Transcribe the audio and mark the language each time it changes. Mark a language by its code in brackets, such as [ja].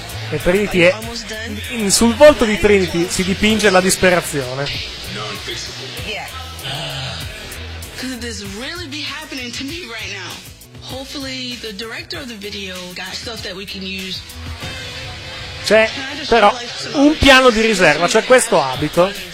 [it] E Trinity è sul volto di Trinity si dipinge la disperazione. [en] Could this really be happening to me right now? Hopefully the director of the video got stuff that we can use. [it] C'è però un piano di riserva, cioè questo abito.